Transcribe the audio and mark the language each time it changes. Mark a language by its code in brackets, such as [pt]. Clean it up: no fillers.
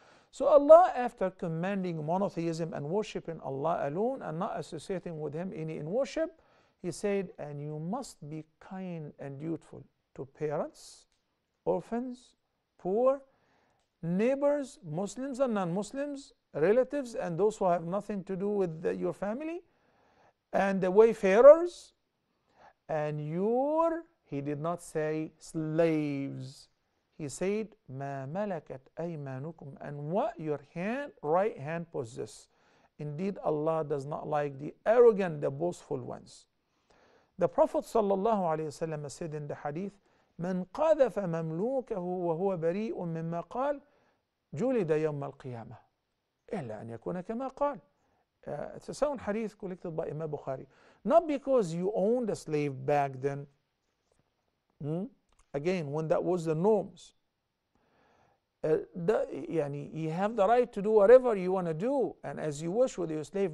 [en] So Allah, after commanding monotheism and worshiping Allah alone and not associating with him any in worship, he said, and you must be kind and dutiful to parents, orphans, poor, neighbors, Muslims and non-Muslims, relatives and those who have nothing to do with your family, and the wayfarers, and your, he did not say slaves. He said, [ar] مَا مَلَكَتْ أَيْمَانُكُمْ, [en] and what your hand, right hand possess. Indeed, Allah does not like the arrogant, the boastful ones. The Prophet sallallahu alayhi wa sallam said in the hadith, [ar] مَنْ قَذَفَ مَمْلُوكَهُ وَهُوَ بَرِيءٌ مِمَّا قَالْ جُلِدَ يَوْمَ الْقِيَامَةِ إلا أن يكون كما قال. [en] It's a sound hadith collected by Imam Bukhari. Not because you owned a slave back then. Again, when that was the norms. You have the right to do whatever you want to do and as you wish with your slave.